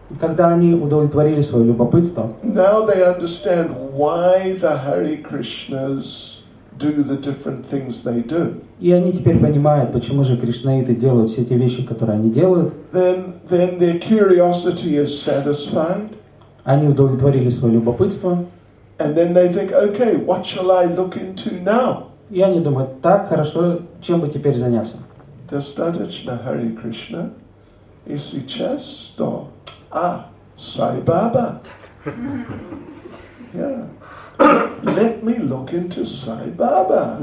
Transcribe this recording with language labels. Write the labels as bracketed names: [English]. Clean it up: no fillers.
[Russian] Когда они удовлетворили свое любопытство. [English] Now they understand why the Hare Krishnas do the different things they do. [Russian] И они теперь понимают, почему же кришнаиты делают все те вещи, которые они делают. [English] Then their curiosity is satisfied. [Russian] Они удовлетворили свое любопытство. [English] And then they think, okay, what shall I look into now? [Russian] И они думают, так, хорошо, чем бы теперь заняться? Достаточно, Hare Krishna. И сейчас что? А, Сай Баба. [English] Yeah. Let me look into Sai Baba.